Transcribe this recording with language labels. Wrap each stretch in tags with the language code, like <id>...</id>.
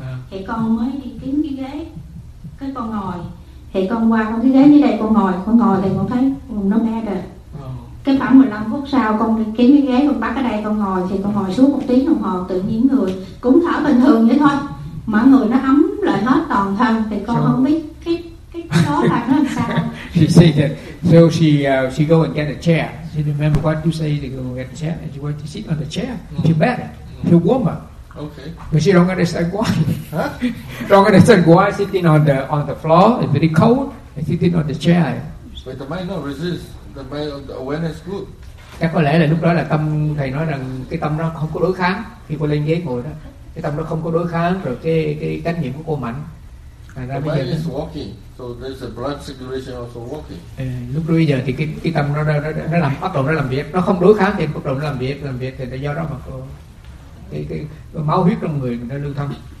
<vi>Thì con mới đi kiếm cái ghế, cái con ngồi. Thì con qua con cái ghế dưới đây con ngồi thì con thấy nó nghe rồi. Cái khoảng 15 phút sau con kiếm cái ghế con bắt ở đây con ngồi, thì con ngồi suốt một tiếng đồng hồ, tự nhiên người cũng thở bình thường vậy thôi mà người nó ấm lại hết toàn thân. Thì con không biết cái đó là nó làm sao.</vi> <en>She said that, so she go and get a chair. She remember what you say, they go and get a chair and she went to sit on the chair. Feel better, feel warmer. Okay. But she don't understand why. Don't understand why sitting on the floor is very cold and sitting on the chair. But the mind not resist. The mind, the awareness good.</en> <vi>Chắc có lẽ là lúc đó là tâm thầy nói rằng cái tâm nó không có đối kháng khi cô lên ghế ngồi đó. Cái tâm nó không có đối kháng rồi cái trách nhiệm của cô mạnh.</vi> <en>The mind is working, so there's a blood circulation also working.</en> <vi>Lúc bây giờ thì cái tâm nó làm bắt đầu nó làm việc, nó không đối kháng thì bắt đầu nó làm việc thì do đó mà cái máu huyết trong người nó lưu thông.</vi>